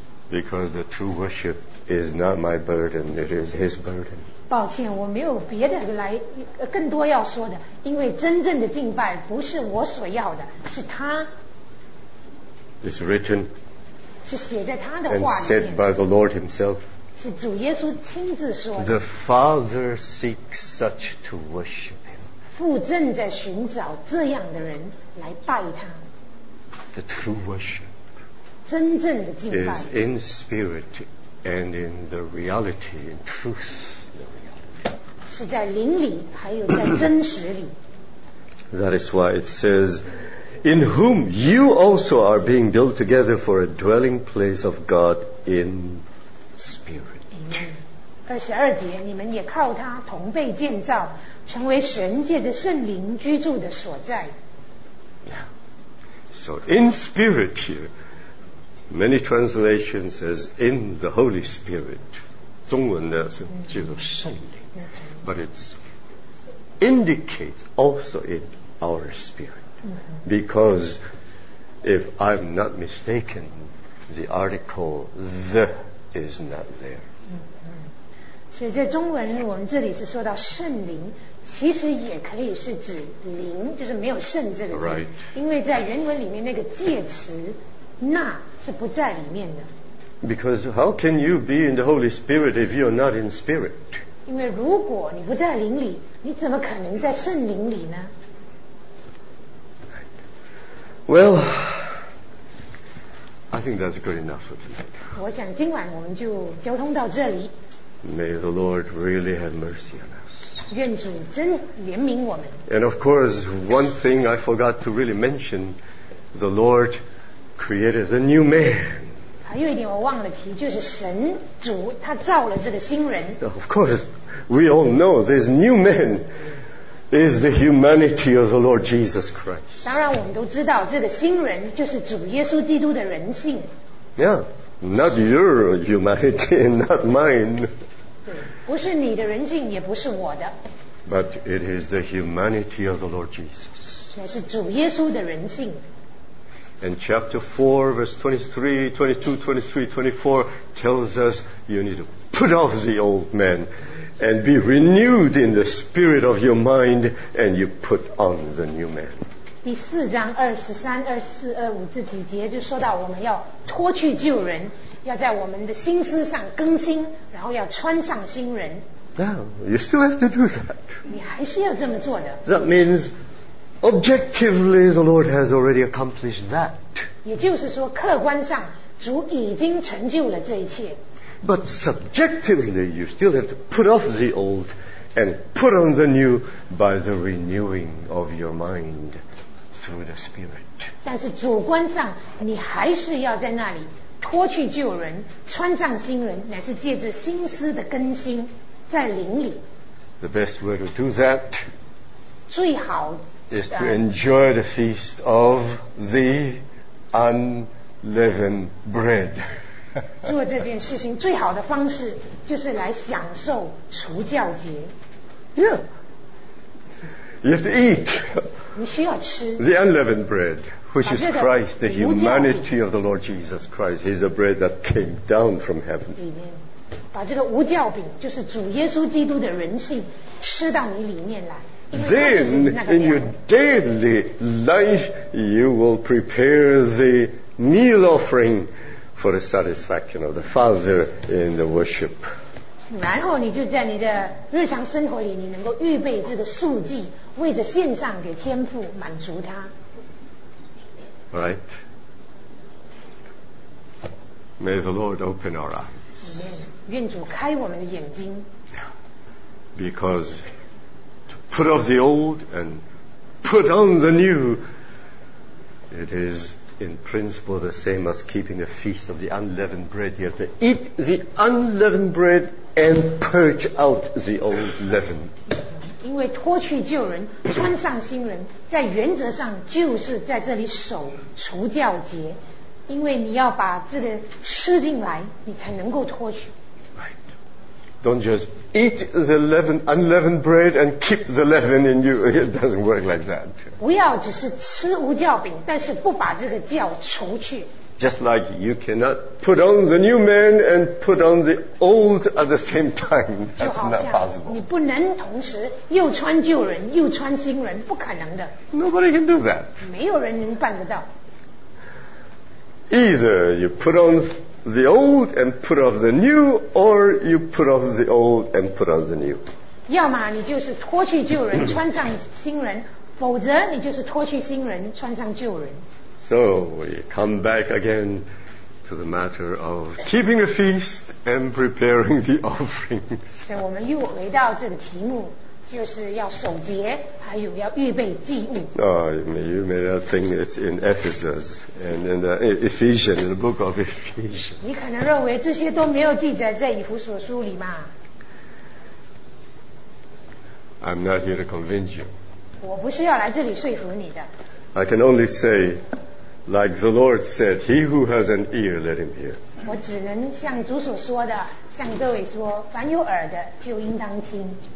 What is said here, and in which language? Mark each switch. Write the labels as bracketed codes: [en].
[en] Because the true worship is not my burden, it is his burden. [zh] 抱歉，我没有别的来更多要说的，因为真正的敬拜不是我所要的，是他。 [en] It's written. [zh] 是写在他的话里面。 [en] And said by the Lord himself. [zh] 是主耶稣亲自说的。 [en] The Father seeks such to worship him. [zh] 父正在寻找这样的人来拜他。 [en] The true worship. [zh] 真正的敬拜。 [en] Is in spirit and in the reality, in truth. [zh] 是在灵里还有在真实里。 [en] That is why it says,In whom you also are being built together for a dwelling place of God in spirit. [zh] 22节，你们也靠他同被建造，成为神借着圣灵居住的所在。 [en] So in spirit here, many translations says in the Holy Spirit. [zh] 中文的是借着圣灵。 [en] But it indicates also in our spirit. Because if I'm not mistaken, the article the is not there. [zh] 所以在中文我们这里是说到圣灵，其实也可以是指灵，就是没有圣这个字。 [en] Right. [zh] 因为在原文里面那个介词那是不在里面的。 [en] Because how can you be in the Holy Spirit if you're not in spirit? [zh] 因为如果你不在灵里，你怎么可能在圣灵里呢？ [en] Well, I think that's good enough for tonight. [zh] 我想今晚我们就交通到这里。 [en] May the Lord really have mercy on us. [zh] 愿主真怜悯我们。 [en] And of course, one thing I forgot to really mention, the Lord created the new man. [zh] 还有一点我忘了提，就是神主他造了这个新人。 [en] Of course, we all know this new man. Is the humanity of the Lord Jesus Christ. [zh] 当然我们都知道这个新人就是主耶稣基督的人性。 [en] Yeah, not your humanity, not mine. [zh] 不是你的人性也不是我的。 [en] But it is the humanity of the Lord Jesus. [zh] 也是主耶稣的人性。 [en] And chapter 4 verse 23, 22, 23, 24 tells us you need to put off the old man. And be renewed in the spirit of your mind, and you put on the new man. [zh] 第四章二十三、二四、二五这几节就说到我们要脱去旧人，要在我们的心思上更新，然后要穿上新人。 [en] Now, you still have to do that. [zh] 你还是要这么做的。 [en] That means, objectively, the Lord has already accomplished that. [zh] 也就是说，客观上，主已经成就了这一切。 [en] But subjectively, you still have to put off the old and put on the new by the renewing of your mind through the Spirit. [zh] 但是主观上，你还是要在那里脱去旧人，穿上新人，乃是借着心思的更新，在灵里。 [en] The best way to do that [zh] 最好 [en] is to enjoy the feast of the unleavened bread. [zh] 做这件事情最好的方式就是来享受除酵节。 [en] Yeah, you have to eat. [zh] 你需要吃。 [en] The unleavened bread, which is Christ, the humanity of the Lord Jesus Christ, He's the bread that came down from heaven. [zh] 把这个无酵饼，就是主耶稣基督的人性，吃到你里面来。 [en] Then in your daily life, you will prepare the meal offering. For the satisfaction of the Father in the worship. [zh] 然后你就在你的日常生活里，你能够预备这个素祭，为着献上给天父，满足他。 [en] Right. May the Lord open our eyes. [zh] 愿主开我们的眼睛。 [en] Because to put off the old and put on the new. It is in principle the same as keeping a feast of the unleavened bread. You have to eat the unleavened bread and purge out the old leaven. [zh] 因为脱去旧人，穿上新人，在原则上就是在这里守除酵节，因为你要把这个吃进来，你才能够脱去。 [en] Don't just eat the leaven, unleavened bread and keep the leaven in you. It doesn't work like that. [zh] 不要只是吃无酵饼，但是不把这个酵除去。 [en] Just like you cannot put on the new man and put on the old at the same time. That's not possible. [zh] 你不能同时又穿旧人又穿新人，不可能的。 [en] Nobody can do that. [zh] 没有人能办得到。 [en] Either you put on the old and put off the new, or you put off the old and put on the new. [zh] 要么你就是脱去旧人穿上新人，否则你就是脱去新人穿上旧人。 [en] So we come back again to the matter of keeping a feast and preparing the offerings. [zh] 所以我们又回到这个题目，就是要守节，还有要预备祭物。 [en] Oh, you may not think it's in Ephesus and in the Ephesians, in the book of Ephesians. [zh] 你可能认为这些都没有记载在以弗所书里嘛。 [en] I'm not here to convince you. [zh] 我不是要来这里说服你的。 [en] I can only say, like the Lord said, he who has an ear, let him hear. [zh] 我只能像主所说的，向各位说，凡有耳的就应当听。